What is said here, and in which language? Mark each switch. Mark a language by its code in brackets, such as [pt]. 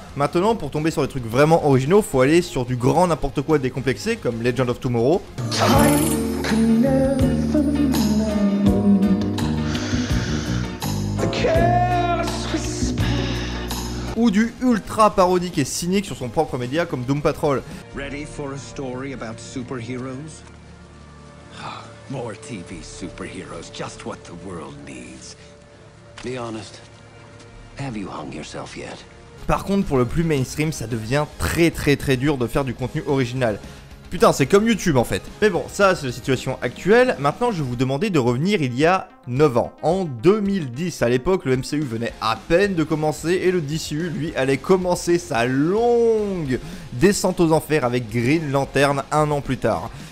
[fr] Maintenant pour tomber sur des trucs vraiment originaux, faut aller sur du grand n'importe quoi décomplexé comme Legend of Tomorrow. Ou du ultra parodique et cynique sur son propre média comme Doom Patrol. [en] Ready for a story about superheroes? More TV superheroes, just what the world needs. Be honest, have you hung yourself yet? [fr] Par contre, pour le plus mainstream, ça devient très très très dur de faire du contenu original. Putain, c'est comme YouTube en fait. Mais bon, ça c'est la situation actuelle. Maintenant, je vais vous demander de revenir il y a 9 ans. En 2010, à l'époque, le MCU venait à peine de commencer et le DCU, lui, allait commencer sa longue descente aux enfers avec Green Lantern un an plus tard.